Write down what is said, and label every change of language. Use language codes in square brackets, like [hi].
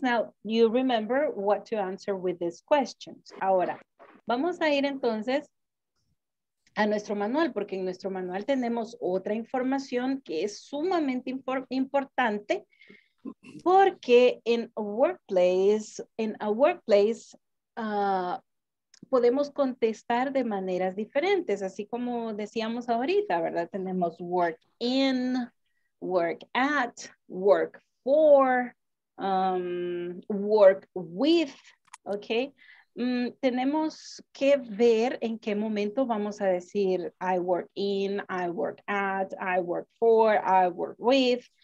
[en] Now, you remember what to answer with these questions. [es] Ahora, vamos a ir entonces a nuestro manual, porque en nuestro manual tenemos otra información que es sumamente importante, porque [en] in a workplace, [es] podemos contestar de maneras diferentes, así como decíamos ahorita, ¿verdad? [en] Tenemos work in, work at, work for, work with, okay. [es] Tenemos que ver en qué momento vamos a decir [en] I work in, I work at, I work for, I work with.